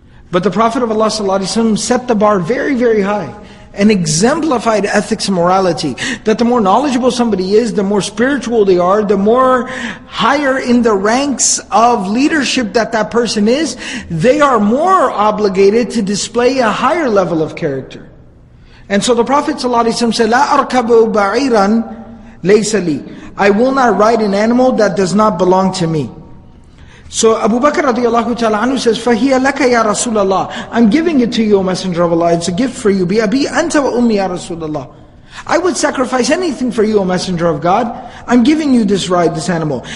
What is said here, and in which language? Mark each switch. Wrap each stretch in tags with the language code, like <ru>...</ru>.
<en>But the Prophet of Allah sallallahu alaihi wasallam set the bar very, very high and exemplified ethics and morality. That the more knowledgeable somebody is, the more spiritual they are, the more higher in the ranks of leadership that that person is, they are more obligated to display a higher level of character. And so the Prophet ﷺ said,</en> <ar>لَا أَرْكَبُ بَعِيرًا لَيْسَ لِي.</ar> <en>I will not ride an animal that does not belong to me. So Abu Bakr radiallahu ta'ala anhu says,</en> <ar>فَهِيَ لَكَ يَا رَسُولَ اللَّهِ.</ar> <en>I'm giving it to you, O Messenger of Allah. It's a gift for you.</en> <ar>بِأَبِي أَنْتَ وَأُمِّي يَا رَسُولَ اللَّهِ.</ar> <en>I would sacrifice anything for you, O Messenger of God. I'm giving you this ride, this animal.</en>